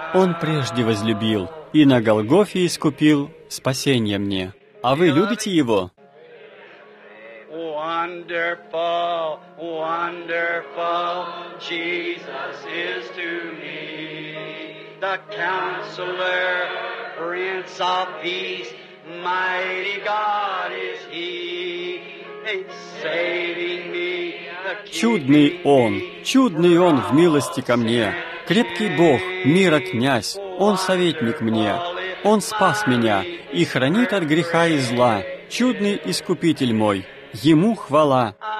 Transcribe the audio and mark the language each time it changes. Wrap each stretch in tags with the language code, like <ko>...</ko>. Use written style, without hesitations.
<ru>Он прежде возлюбил и на Голгофе искупил спасение мне. А вы любите Его?</ru> <en>Wonderful, wonderful Jesus is to me, the Counselor, Prince of Peace, mighty God is He, saving me.</en> <ru>Чудный Он, чудный Он в милости ко мне, крепкий Бог, мира князь, Он советник мне. Он спас меня и хранит от греха и зла. Чудный Искупитель мой, Ему хвала.</ru>